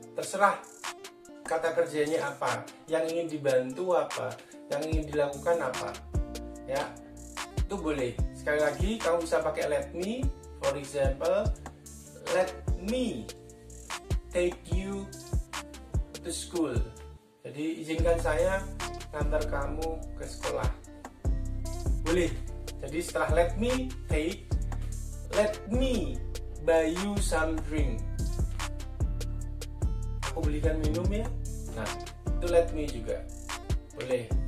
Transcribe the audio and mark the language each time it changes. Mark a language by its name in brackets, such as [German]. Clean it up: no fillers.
[Indonesian] Terserah kata kerjanya apa, yang ingin dibantu apa, yang ingin dilakukan apa, ya itu boleh. Sekali lagi, kamu bisa pakai let me. [English] For example, let me take you to school. [Indonesian] Jadi izinkan saya ngantar kamu ke sekolah. Boleh. Jadi setelah [English] let me take, let me buy you some drink. [Indonesian] Aku belikan minum ya. Nah, itu let me juga. Boleh.